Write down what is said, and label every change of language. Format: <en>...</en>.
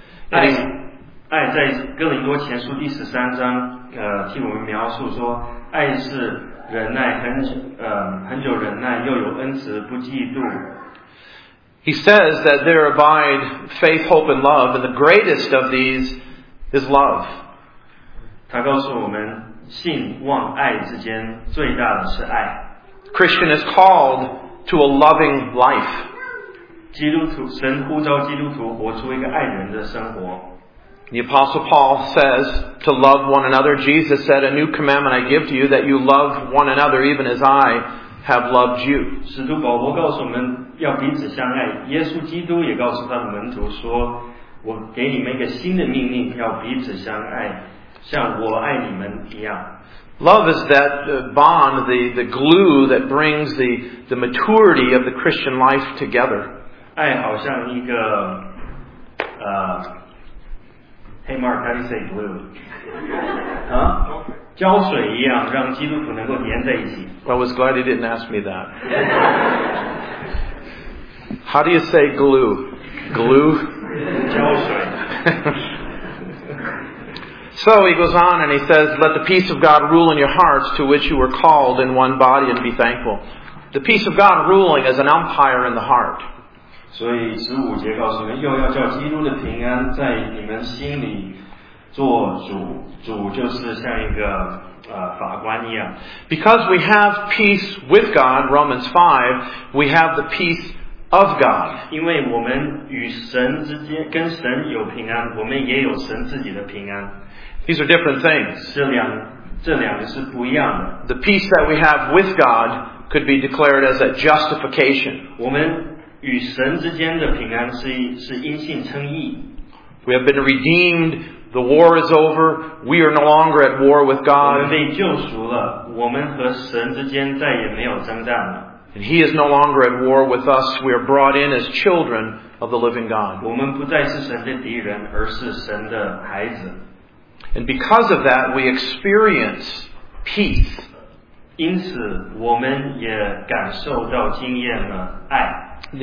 <zh>爱在哥林多前书第十三章替我们描述说，爱是忍耐，很久忍耐，又有恩慈，不嫉妒。</zh> <en>He says that there abide faith, hope, and love, and the greatest of these is love.</en> <zh>他告诉我们，信望爱之间最大的是爱。</zh> <en>Christian is called to a loving life.</en> <zh>基督徒，神呼召基督徒活出一个爱人的生活。</zh> <en>The Apostle Paul says to love one another. Jesus said, "A new commandment I give to you, that you love one another, even as I have loved you.</en> <zh>使徒保罗告诉我们要彼此相爱，耶稣基督也告诉他的门徒说，我给你们一个新的命令，要彼此相爱，像我爱你们一样。</zh> <en>Love is that bond, the glue that brings the maturity of the Christian life together.</en> <zh>爱好像一个</zh> <en>Hey Mark, how do you say glue? Huh?</en> <zh>胶水一样，让基督徒能够粘在一起。</zh> <en>I was glad you didn't ask me that. How do you say glue? Glue?</en> <zh>胶水。</zh> <en>So he goes on and he says, let the peace of God rule in your hearts to which you were called in one body and be thankful. The peace of God ruling as an umpire in the heart.</en> <zh>所以十五节告诉你们，又要叫基督的平安在你们心里做主，主就是像一个法官一样。</zh> <en>Because we have peace with God, Romans 5, we have the peace of God.</en> <zh>因为我们与神之间，跟神有平安，我们也有神自己的平安。</zh> <en>These are different things.</en> <zh>这两个是不一样的。</zh> <en>The peace that we have with God could be declared as a justification.</en> <zh>我们与神之间的平安是因信称义。</zh> <en>We have been redeemed. The war is over. We are no longer at war with God.</en> <zh>我们被救赎了，我们和神之间再也没有征战了。</zh> <en>And He is no longer at war with us. We are brought in as children of the living God.</en> <zh>我们不再是神的敌人，而是神的孩子。</zh> <en>And because of that, we experience peace.</en> <zh>因此，我们也感受到经验了爱。</zh>